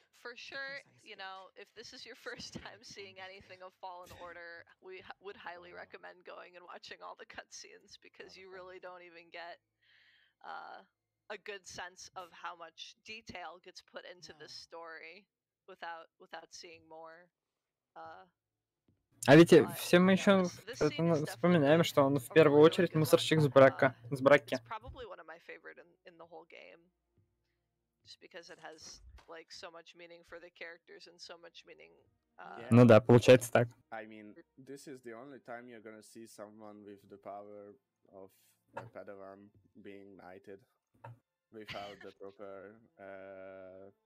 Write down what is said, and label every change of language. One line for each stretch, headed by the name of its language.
English: For sure, you know, if this is your first time seeing anything of Fallen Order, we would highly recommend going and watching all the cutscenes, because you really don't even get a good sense of how much detail gets put into this story without seeing more.
Russian: А ведь все мы еще вспоминаем, что он в первую очередь мусорщик с браки.
English: It's probably one of my favorite in the whole game. Just because it has like so much meaning for the characters and so much meaning.
Russian: Ну да, получается так.
English: I mean, this is the only time you're gonna see someone with the power of a Padawan being knighted without the proper.